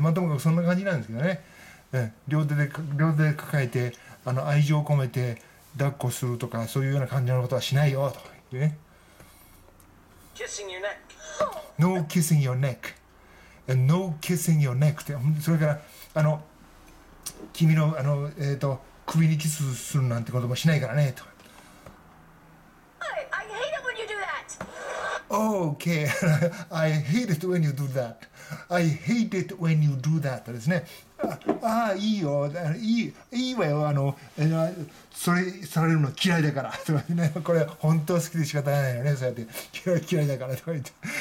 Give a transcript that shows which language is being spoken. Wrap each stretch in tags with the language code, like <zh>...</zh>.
<ja>まあともかくそんな感じなんですけどね。両手で抱えて、あの愛情を込めて抱っこするとか、そういうような感じのことはしないよ、とか言ってね。</ja> <en>Kissing your neck. No kissing your neck. No kissing your neck.</en> <ja>って、それから、あの、君の、あの、首にキスするなんてこともしないからね、と。</ja> <en>I hate it when you do that! Okay, I hate it when you do that. I hate it when you do that.</en> <ja>ですね。ああいいよ、いいわよ、それされるの嫌いだからとかね、これ本当好きで仕方ないよね、そうやって嫌いだからとか言って。</ja>